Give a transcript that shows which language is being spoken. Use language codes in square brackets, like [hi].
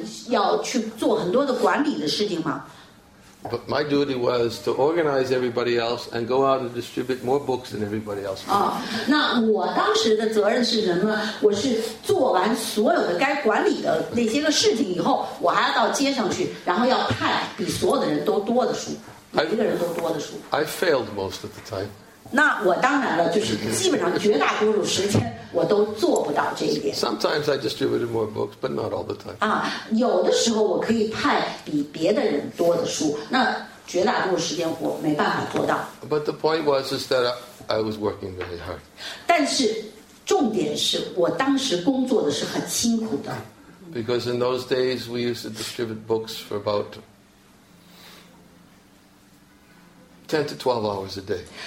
[zh] 哦，他说，因为有的人说，这样一旦当了这个就是派书的人的领导的话，那你要去做很多的管理的事情吗？ [en] But my duty was to organize everybody else and go out and distribute more books than everybody else. [zh] Oh, 那我当时的责任是什么？我是做完所有的该管理的那些个事情以后，我还要到街上去，然后要派比所有的人都多的书，每一个人都多的书。 [en] I failed most of the time. [zh] 那我当然了，就是基本上绝大多数时间我都做不到这一点。 [en] Sometimes I distributed more books, but not all the time. [zh] 啊，有的时候我可以派比别的人多的书，那绝大多数时间我没办法做到。 [en] But the point was is that I was working very hard. [zh] 但是重点是我当时工作的是很辛苦的。 [en] Because in those days we used to distribute books for about 10 to 12 hours a day.